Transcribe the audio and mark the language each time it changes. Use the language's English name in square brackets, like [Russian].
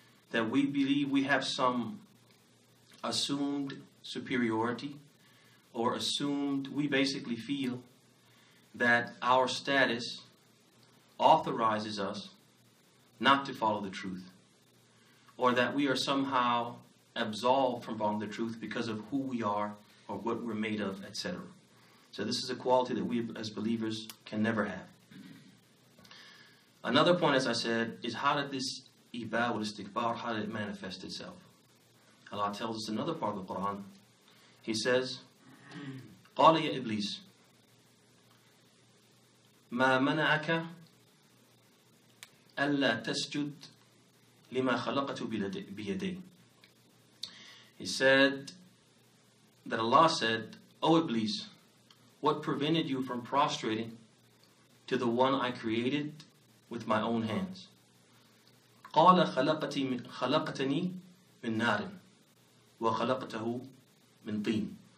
[English] That we believe we have some assumed superiority, or assumed, we basically feel that our status authorizes us not to follow the truth, or that we are somehow absolved from following the truth because of who we are or what we're made of, etc. So this is a quality that we as believers can never have. Another point, as I said, is how did this iba wal istikbar, how did it manifest itself? Allah tells us another part of the Quran. He says, [Arabic] قَالَ يَا إِبْلِيسِ مَا مَنَعَكَ أَلَّا تَسْجُدْ لِمَا خَلَقَتُ بِيَدَيْ. [English] He said that Allah said, O Iblis, what prevented you from prostrating to the one I created with my own hands? [Arabic] قَالَ خَلَقَتَنِي مِن نَارٍ وَخَلَقَتَهُ مِن طِينٍ.